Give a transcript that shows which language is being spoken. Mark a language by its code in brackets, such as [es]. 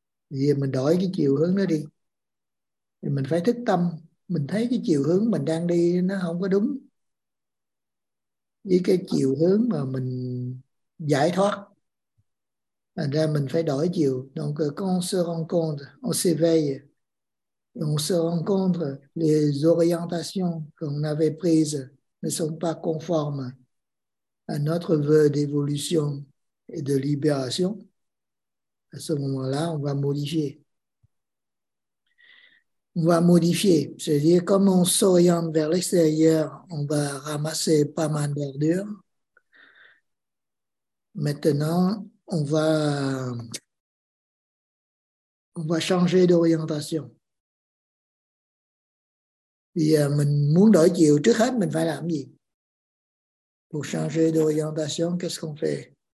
[vi] Bây giờ mình đổi cái chiều hướng đó đi. Thì mình phải thức tâm. Mình thấy cái chiều hướng mình đang đi nó không có đúng với cái chiều hướng mà mình giải thoát. Thành ra mình phải đổi chiều. [fr] Donc quand on se rencontre, on s'éveille, on se rencontre, les orientations qu'on avait prises ne sont pas conformes à notre vœu d'évolution et de libération. À ce moment-là, on va modifier. On va modifier. C'est-à-dire, comme on s'oriente vers l'extérieur, on va ramasser pas mal d'ordures. Maintenant, on va changer d'orientation. [vi] Et mình muốn đổi chiều, trước hết mình phải làm gì? [fr] Pour changer d'orientation, qu'est-ce qu'on fait?